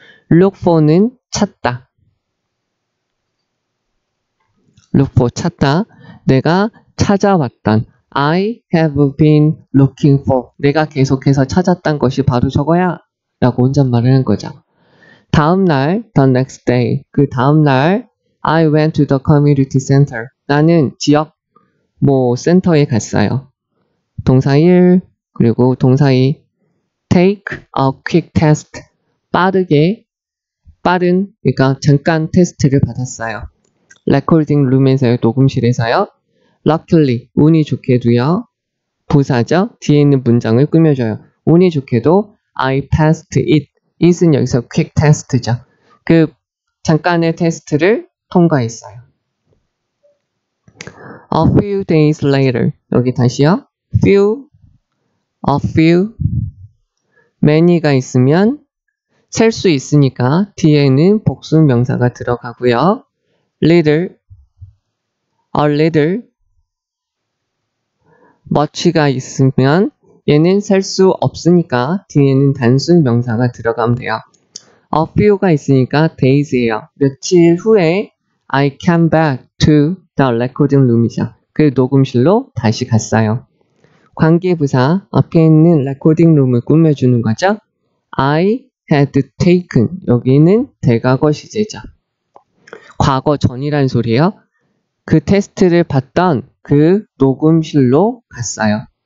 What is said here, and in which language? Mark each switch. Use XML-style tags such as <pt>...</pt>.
<ko>look for는 찾다.</ko> <en>look for 찾다.</en> <ko>내가 찾아왔던.</ko> <en>I have been looking for.</en> <ko>내가 계속해서 찾았던 것이 바로 저거야. 라고 혼잣말을 한 거죠. 다음 날,</ko> <en>the next day.</en> <ko>그 다음 날,</ko> <en>I went to the community center.</en> <ko>나는 지역, 뭐, 센터에 갔어요. 동사 1, 그리고 동사 2.</ko> <en>Take a quick test.</en> <ko>빠른, 그러니까 잠깐 테스트를 받았어요. recording room에서요, 녹음실에서요.</ko> <en>Luckily,</en> <ko>운이 좋게도요. 부사죠? 뒤에 있는 문장을 꾸며줘요. 운이 좋게도,</ko> <en>I passed it. It은 여기서 quick test죠.</en> <ko>그 잠깐의 테스트를 통과했어요.</ko> <en>A few days later.</en> <ko>여기 다시요.</ko> <en>Few, a few.</en> <ko>Many가 있으면 셀수 있으니까 뒤에는 복수 명사가 들어가고요. Little, a little. Much가 있으면 얘는 셀수 없으니까 뒤에는 단순 명사가 들어가면 돼요.</ko> <en>A few</en> <ko>가 있으니까 days예요. 며칠 후에</ko> <en>I came back to the recording room이죠.</en> <ko>그 녹음실로 다시 갔어요. 관계부사 앞에 있는 recording room을 꾸며주는 거죠.</ko> <en>I had taken.</en> <ko>여기는 대과거 시제죠. 과거 전이란 소리예요. 그 테스트를 봤던 그 녹음실로 갔어요.</ko>